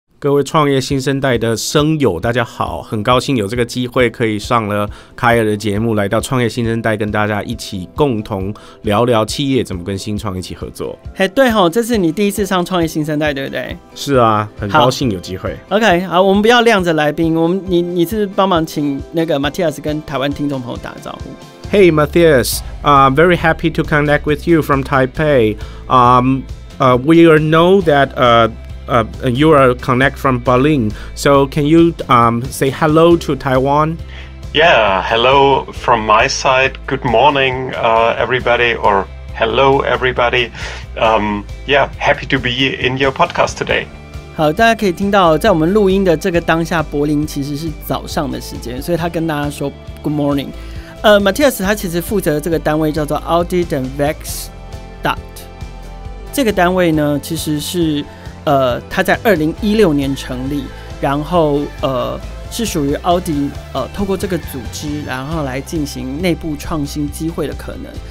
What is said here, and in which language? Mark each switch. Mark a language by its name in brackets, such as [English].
[Chinese] 各位创业新生代的声友大家好，很高兴有这个机会可以上了凯尔的节目，来到创业新生代跟大家一起共同聊聊企业怎么跟新创一起合作。 Hey， 对吼，这是你第一次上创业新生代对不对？是啊，很高兴有机会。好 OK， 好，我们不要晾着来宾，我们你是帮忙请那个 Matthias 跟台湾听众朋友打个招呼。 [English] Hey Matthias， very happy to connect with you from Taipei。 We know that you are connect from Berlin. So can you say hello to Taiwan? Yeah, hello from my side. Good morning, everybody, or hello, everybody. Yeah, happy to be in your podcast today. [Chinese] 好，大家可以听到，在我们录音的这个当下，柏林其实是早上的时间，所以他跟大家说 [English] good morning. [Chinese] Matthias 他其实负责这个单位叫做 Audi and Vex. 这个单位呢，其实是它在2016年成立，然后是属于奥迪透过这个组织，然后来进行内部创新机会的可能。